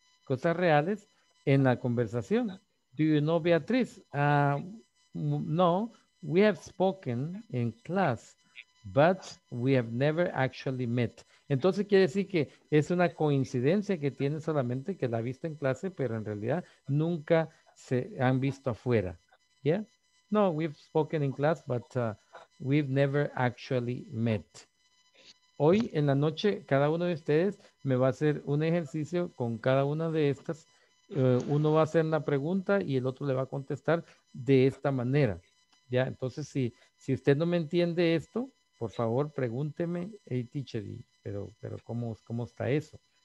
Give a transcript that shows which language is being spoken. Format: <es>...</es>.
<es>Cosas reales en la conversación.</es> <en>Do you know Beatriz?</en> <es>No.</es> <en>We have spoken in class, but we have never actually met.</en> <es>Entonces quiere decir que es una coincidencia que tiene solamente que la ha visto en clase, pero en realidad nunca se han visto afuera.</es> <en>Yeah? No, we've spoken in class, but we've never actually met.</en> <es>Hoy en la noche, cada uno de ustedes me va a hacer un ejercicio con cada una de estas. Uno va a hacer la pregunta y el otro le va a contestar de esta manera. Ya, entonces si usted no me entiende esto, por favor pregúnteme,</es> <en>hey teacher,</en> <es>pero ¿cómo está eso?</es>